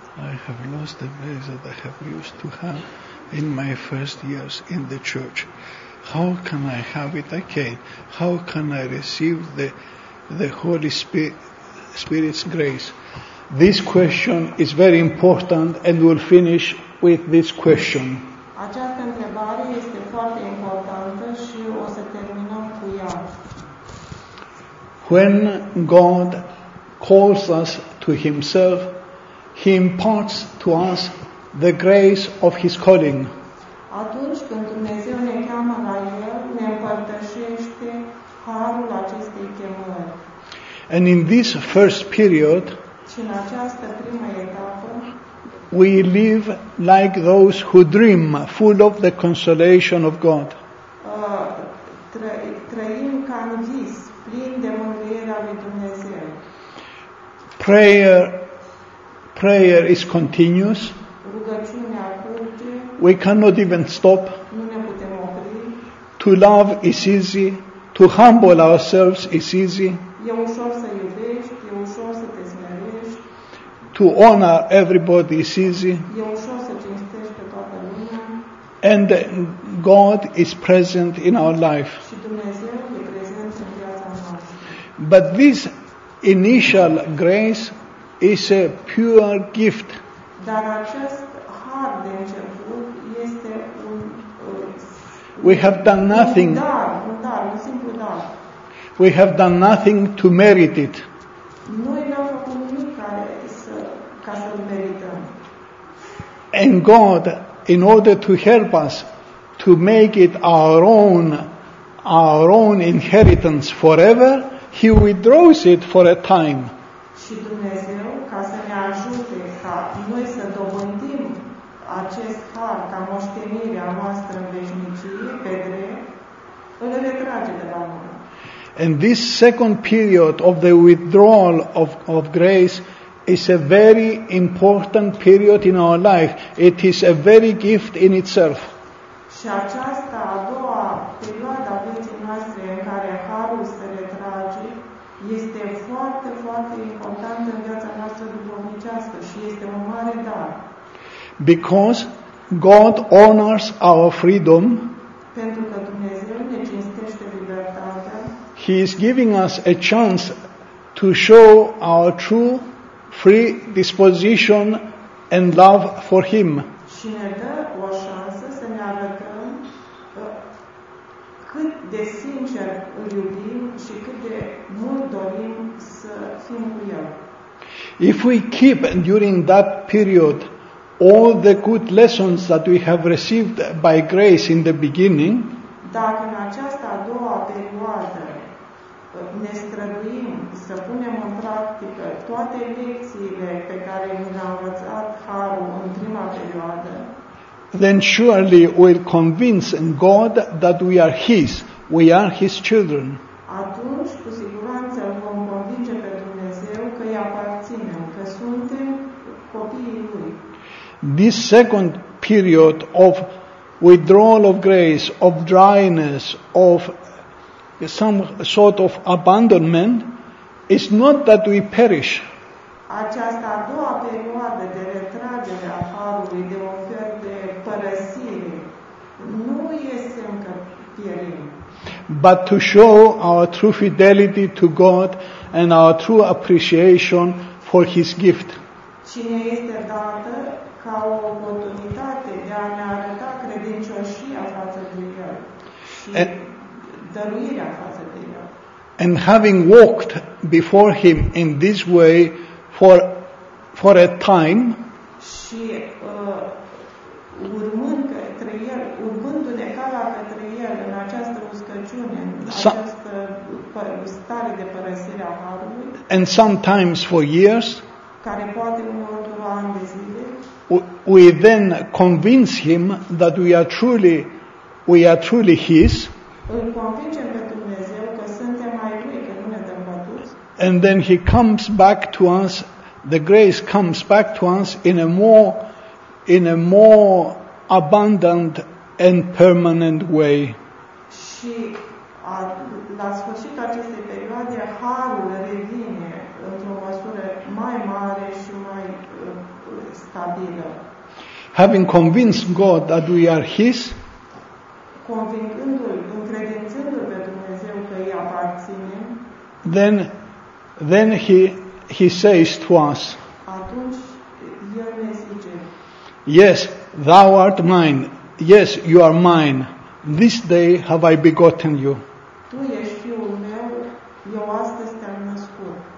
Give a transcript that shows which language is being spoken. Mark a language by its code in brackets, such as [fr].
[en] I have lost the grace that I have used to have in my first years in the church. How can I have it again? How can I receive the Holy Spirit's grace? This question is very important and we'll finish with this question. [ro] Această întrebare este foarte importantă și o să terminăm cu ea. [en] When God calls us to himself, he imparts to us the grace of his calling. [ro] Atunci când Dumnezeu ne cheamă la el, ne împărtășește harul acestei chemări. [en] And in this first period, [ro] și în această primă etapă, [en] we live like those who dream, full of the consolation of God. [ro] Trăim ca în vis, plin de mângâierea lui Dumnezeu. [en] Prayer is continuous. [ro] Rugăciunea curge. [en] We cannot even stop. [ro] Nu ne putem opri. [en] To love is easy. To humble ourselves is easy. [ro] E ușor să iubești, e ușor să te smerești. [en] To honor everybody is easy. [ro] E ușor să cinstești pe toată lumea. [en] And God is present in our life. [ro] Și Dumnezeu e prezent în viața noastră. [en] But this initial grace is a pure gift. [ro] Dar acest har de început este un [en] we have done nothing. [ro] Un simplu dar. [en] We have done nothing to merit it. [ro] Noi n-am făcut nimic ca să-l merităm. [en] And God, in order to help us to make it our own inheritance forever, he withdraws it for a time. [ro] Și Dumnezeu, ca să ne ajute ca noi să dobândim acest har ca moștenirea noastră în veșnicie, pe drept, îl retrage de la noi. [en] And this second period of the withdrawal of grace is a very important period in our life. It is a very gift in itself. [ro] Și aceasta a doua perioadă a vieții noastre în care harul se retrage este foarte, foarte importantă în viața noastră duhovnicească și este un mare dar. [en] Because God honors our freedom. [ro] Pentru că Dumnezeu ne cinstește libertatea. [en] He is giving us a chance to show our true free disposition and love for Him. [ro] Și ne dă o șansă să ne arătăm cât de sincer îl iubim și cât de mult dorim să fim cu El. [en] If we keep during that period all the good lessons that we have received by grace in the beginning, [ro] dacă în această a doua perioadă ne străduim să punem în practică toate lecțiile pe care ne-a învățat Harul în prima perioadă, [en] then surely we'll convince God that we are His, we are His children. [ro] Atunci, cu siguranță, vom convinge pe Dumnezeu că îi aparținem, că suntem copiii Lui. [en] This second period of withdrawal of grace, of dryness, of some sort of abandonment, is not that we perish. [ro] Această a doua perioadă de retragere a Harului, de o fel de părăsire, nu este încă pierim. [en] But to show our true fidelity to God and our true appreciation for His gift. [ro] Cine este dată ca o oportunitate de a ne arăta credincioșia față de El și dăruirea față de El. [en] And having walked before Him in this way for a time, [ro] și urmând către El, urmându-ne calea către El în această uscăciune, în această stare de părăsire a Harului, [en] and sometimes for years, [ro] care poate urma ani de zile, [en] we then convince Him that we are truly His. [ro] Îl convingem pe Dumnezeu că suntem ai Lui, că nu ne dăm bătuți. [en] And then He comes back to us, the grace comes back to us in a more abundant and permanent way. [ro] Și la sfârșitul acestei perioade, Harul revine într-o măsură mai mare și mai stabilă. [en] Having convinced God that we are His, [ro] convingându-L, încredințându-L pe Dumnezeu că îi aparține, [en] then he says to us, [ro] atunci El ne zice, [en] yes, thou art mine, yes, you are mine, this day have I begotten you. [ro] Tu ești Fiul meu, eu astăzi te-am născut.